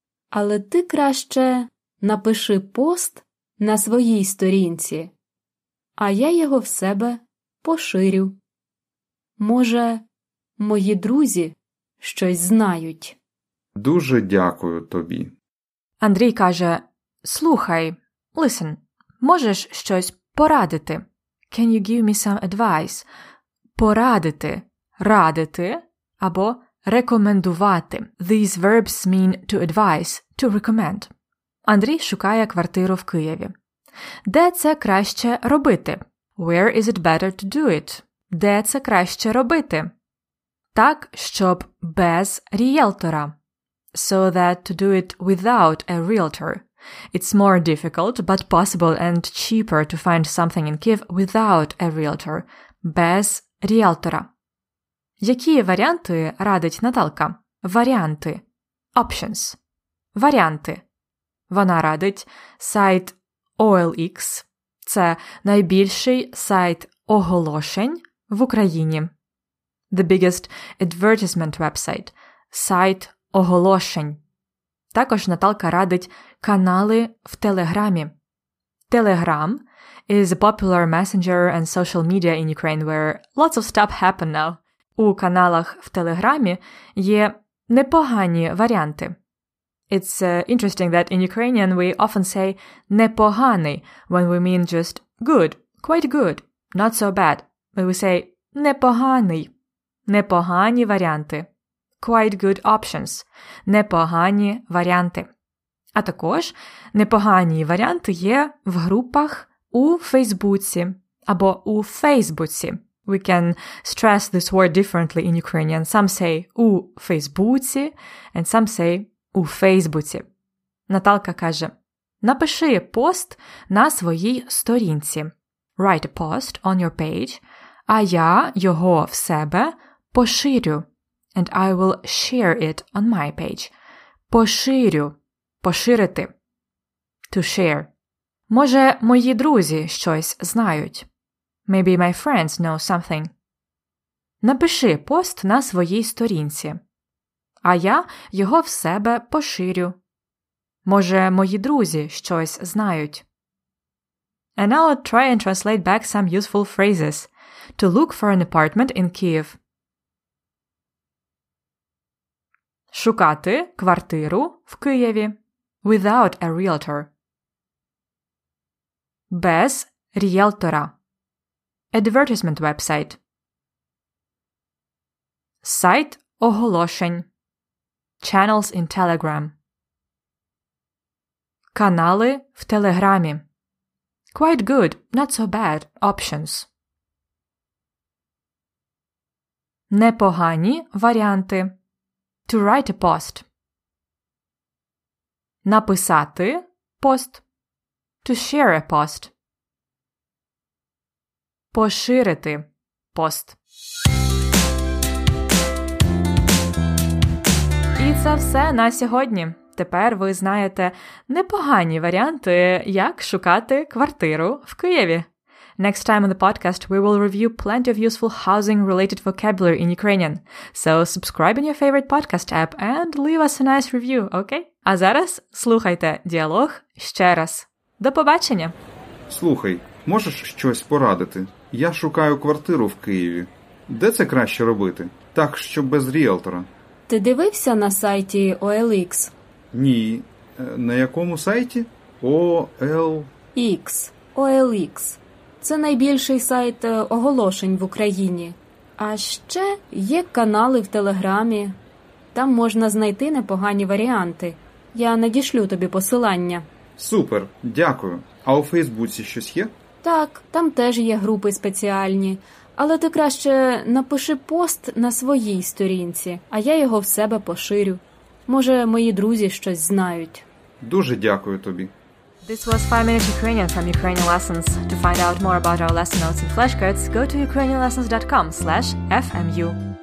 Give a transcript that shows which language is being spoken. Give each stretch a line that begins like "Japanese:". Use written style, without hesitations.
Ukrainian: Але ти краще напиши пост на своїй сторінці, а я його в себе поширю. Може, мої друзі щось знають. Дуже дякую тобі. Андрій каже: "Слухай, listen, можеш щось порадити?
English: Can you give me some advice?"
Ukrainian: Порадити, радити, або рекомендувати.
English: These verbs mean to advise, to recommend.
Ukrainian: Андрій шукає квартиру в Києві. Де це краще робити?
English: Where is it better to do it?
Ukrainian: Де це краще робити? Так, щоб без ріелтора.
English: So that to do it without a realtor. It's more difficult, but possible and cheaper to find something in Kyiv without a realtor.
Ukrainian: Без ріелтора. Які варіанти радить Наталка? Варіанти. Options. Варіанти. Вона радить сайт OLX. Це найбільший сайт оголошень в Україні.
English: The biggest advertisement website.
Ukrainian: Сайт оголошень. Також Наталка радить канали в Телеграмі.
English: Телеграм – is a popular messenger and social media in Ukraine where lots of stuff happen now.
Ukrainian: У каналах в Телеграмі є непогані варіанти.
English: It's interesting that in Ukrainian we often say непоганий when we mean just good, quite good, not so bad. But we say
Ukrainian: непоганий, непогані варіанти,
English: quite good options,
Ukrainian: непогані варіанти. А також непогані варіанти є в групах у Фейсбуці або у Фейсбуці.
English: We can stress this word differently in Ukrainian. Some say
Ukrainian: у Фейсбуці
English: and some say у Фейсбуці.
Ukrainian: Наталка каже: "Напиши пост на своїй сторінці.
English: Write a post on your page,
Ukrainian: а я його в себе поширю.
English: And I will share it on my page."
Ukrainian: Поширю, поширити.
English: To share.
Ukrainian: Може, мої друзі щось знають.
English: Maybe my friends know something.
Ukrainian: Напиши пост на своїй сторінці. а я його в себе поширю. Може, мої друзі щось знають.
English: And now I'll try and translate back some useful phrases. To look for an apartment in Kyiv.
Ukrainian: Шукати квартиру в Києві.
English: Without a realtor.
Ukrainian: Без ріелтора.
English: Advertisement website.
Ukrainian: Сайт оголошень.
English: Channels in Telegram.
Ukrainian: Канали в Телеграмі.
English: Quite good, not so bad, options.
Ukrainian: Непогані варіанти.
English: To write a post.
Ukrainian: Написати пост.
English: To share a post.
Ukrainian: Поширити пост. І це все на сьогодні. Тепер ви знаєте непогані варіанти, як шукати квартиру в Києві.
English: Next time on the podcast, we will review plenty of useful housing-related vocabulary in Ukrainian. So subscribe in your favorite podcast app and leave us a nice review, okay?
Ukrainian: А зараз слухайте діалог ще раз. До побачення! Слухай, можеш щось порадити? Я шукаю квартиру в Києві. Де це краще робити? Так, щоб без ріелтора. Ти дивився на сайті OLX? Ні. На якому сайті? OLX. OLX. Це найбільший сайт оголошень в Україні. А ще є канали в Телеграмі. Там можна знайти непогані варіанти. Я надішлю тобі посилання. Супер, дякую. А у Фейсбуці щось є? Так, там теж є групи спеціальні. Але ти краще напиши пост на своїй сторінці, а я його в себе поширю. Може, мої друзі щось знають. Дуже дякую тобі.
English: This was 5 Minutes Ukrainian from Ukrainian Lessons. To find out more about our lesson notes and flashcards, go to ukrainianlessons.com/fmu.